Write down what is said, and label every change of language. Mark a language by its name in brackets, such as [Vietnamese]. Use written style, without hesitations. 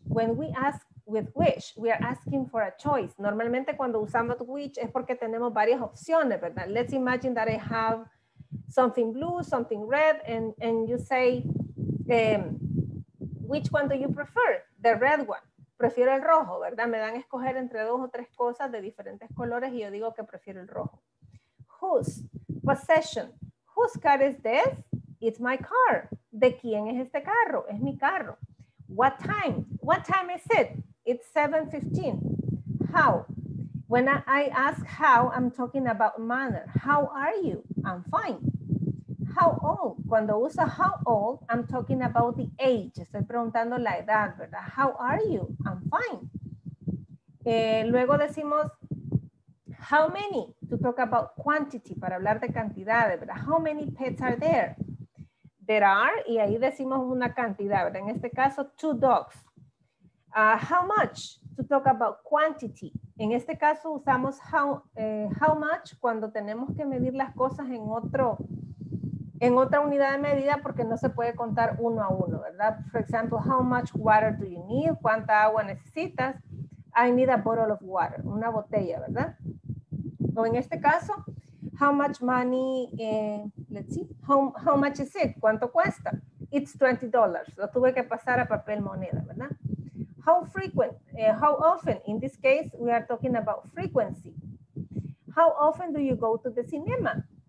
[English] When we ask with which, we are asking for a choice. [Spanish] Normalmente cuando usamos which es porque tenemos varias opciones, ¿verdad? [English] Let's imagine that I have something blue, something red, and you say, which one do you prefer? The red one. [Spanish] Prefiero el rojo, ¿verdad? Me dan a escoger entre dos o tres cosas de diferentes colores y yo digo que prefiero el rojo. [English] Whose? Possession. Whose car is this? It's my car. [Spanish] ¿De quién es este carro? Es mi carro. [English] What time? What time is it? It's 7:15. How? When I ask how, I'm talking about manner. How are you? I'm fine. How old? [Spanish] Cuando uso [English] how old, I'm talking about the age. [Spanish] Estoy preguntando la edad, ¿verdad? [English] How are you? I'm fine. [Spanish] Luego decimos how many? [English] To talk about quantity, [Spanish] para hablar de cantidades, ¿verdad? [English] How many pets are there? There are, [Spanish] y ahí decimos una cantidad, ¿verdad? En este caso, [English] two dogs. How much? To talk about quantity. [Spanish] En este caso usamos how much cuando tenemos que medir las cosas en otra unidad de medida porque no se puede contar uno a uno, ¿verdad? [English] For example, how much water do you need? [Spanish] ¿Cuánta agua necesitas? [English] I need a bottle of water, [Spanish] una botella, ¿verdad? O en este caso, [English] how much money, let's see, how much is it? [Spanish] ¿Cuánto cuesta? [English] It's $20. [Spanish] Lo tuve que pasar a papel moneda, ¿verdad? [English] How frequent, how often? In this case, we are talking about frequency. How often do you go to the cinema?